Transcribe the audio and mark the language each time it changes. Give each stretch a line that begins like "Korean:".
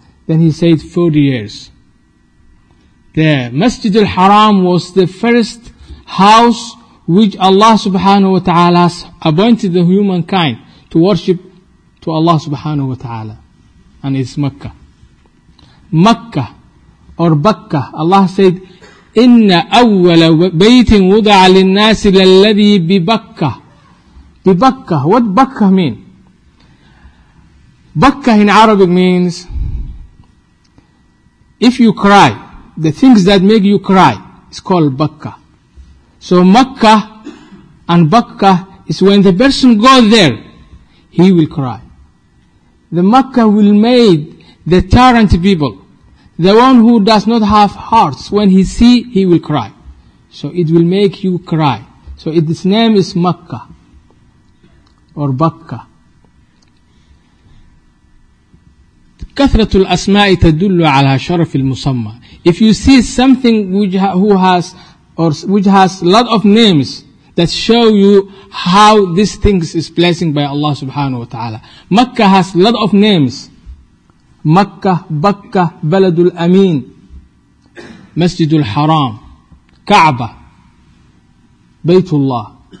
English: Then he said, 40 years. The Masjid al-Haram was the first house which Allah subhanahu wa ta'ala has appointed the humankind to worship to Allah subhanahu wa ta'ala. And it's Mecca. Mecca or Bakkah, Allah said,
Arabic: إن أول بيت وضع للناس للذي ببكة.
English: ببكة, what بكة mean? بكة in Arabic means if you cry, the things that make you cry is called بكة. So Makkah and بكة is when the person goes there, he will cry. The Makkah will made the tyrant people, the one who does not have hearts, when he see, he will cry. So it will make you cry. So its name is Makkah or Bakka.
Arabic: كثرت الأسماء تدل على شرف المسمى.
English: If you see something which has a lot of names, that show you how these things is blessing by Allah subhanahu wa ta'ala. Makkah has a lot of names. Makkah, Bakka, Baladul Amin, Masjidul Haram, Kaaba, Baytullah.